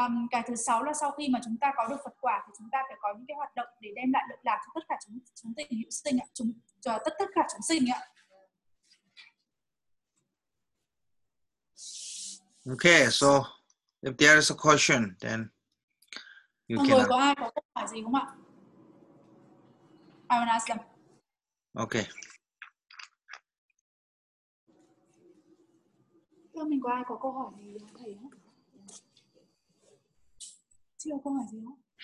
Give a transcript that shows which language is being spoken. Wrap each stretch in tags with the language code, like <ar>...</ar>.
<vi>Cái thứ 6 là sau khi mà chúng ta có được Phật quả thì chúng ta phải có những cái hoạt động để đem lại lợi lạc cho tất cả chúng tình hữu sinh ạ, cho tất cả chúng sinh ạ.</vi> <en>Okay, so if there is a question, then you can.</en> <vi>Có ai có câu hỏi gì không ạ?</vi> <en>I will ask them. Okay.</en> <vi>Thưa mình, có ai có câu hỏi gì không thầy? Chưa có câu hỏi gì không?</vi>